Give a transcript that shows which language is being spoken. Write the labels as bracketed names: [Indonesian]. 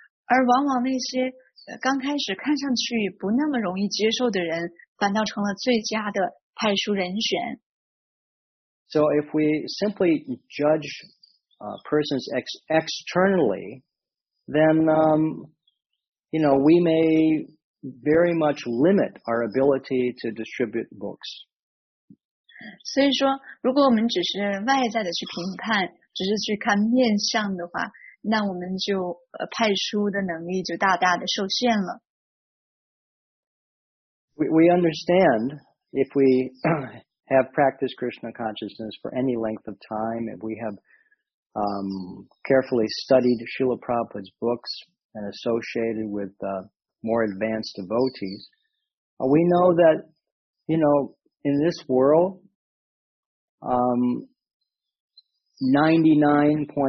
[Chinese] 而往往那些刚开始看上去不那么容易接受的人反倒成了最佳的派书人选。 [English] So if we simply judge persons externally, then, we may very much limit our ability to distribute books. [Chinese] 所以说如果我们只是外在的去评判只是去看面相的话那我们就派书的能力就大大的受限了。 [English] We understand if we have practiced Krishna consciousness for any length of time, if we have carefully studied Srila Prabhupada's books and associated with more advanced devotees, we know that, you know, in this world, 99.9999%